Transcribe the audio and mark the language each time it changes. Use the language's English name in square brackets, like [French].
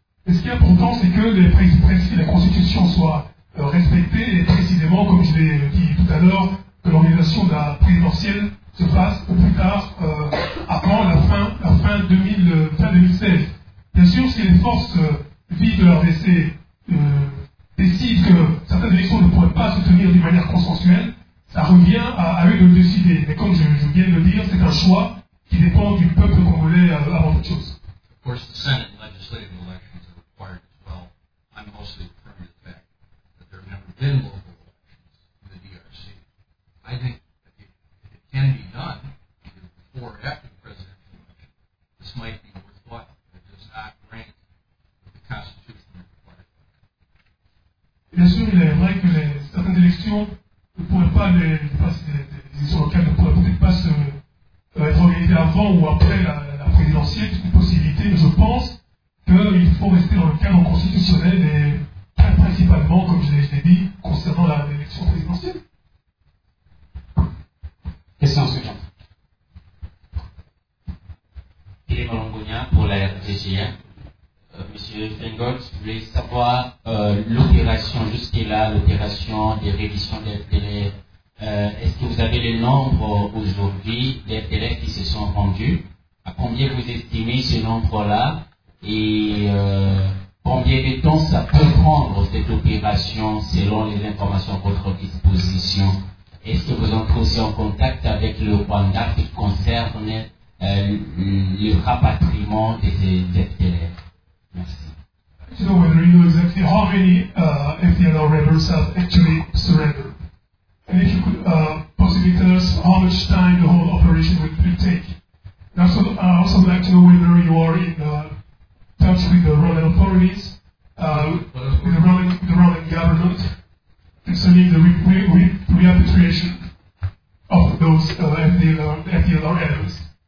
[French] Et ce qui est important, c'est que les principes de la Constitution soient respectés, et précisément, comme je l'ai dit tout à l'heure, que l'organisation de la présidentielle se fasse au plus tard, avant la fin 2016. Bien sûr, si les forces vives de la RDC décident que certaines élections ne pourraient pas se tenir d'une manière consensuelle, ça revient à eux de le décider. Mais comme je viens de le dire, c'est un choix qui dépend du peuple congolais avant toute chose. [English] Of course, the Senate legislative elections are required as well. I'm mostly firm in the fact that there have never been local elections in the DRC. I think that if it can be done, either before or after the presidential election, this might be worthwhile. It does not rank with the Constitution required. [French] Bien sûr, il est vrai que certaines élections ne pourraient pas, les élections locales ne pourraient peut-être pas être organisées avant ou après la présidentielle, c'est une possibilité, mais je pense qu'il faut rester dans le cadre constitutionnel et principalement, comme je l'ai dit, concernant l'élection présidentielle. Question suivante. Philippe Malongonia pour la RTGN. Monsieur Fengot, je voulais savoir l'opération jusqu'à l'opération de révision des FDLR. Est-ce que vous avez le nombre aujourd'hui des FDLR qui se sont rendus? À combien vous estimez ce nombre-là? Et combien de temps ça peut prendre cette opération selon les informations à votre disposition? Est-ce que vous entrez aussi en contact avec le Rwanda qui concerne le rapatriement de ces FDLR? [English] To know whether you know exactly how many FDLR rebels have actually surrendered. And if you could possibly tell us how much time the whole operation would take. And also, I also would like to know whether you are in touch with the Rwandan authorities, with the Rwandan government, concerning the repatriation of those FDLR enemies.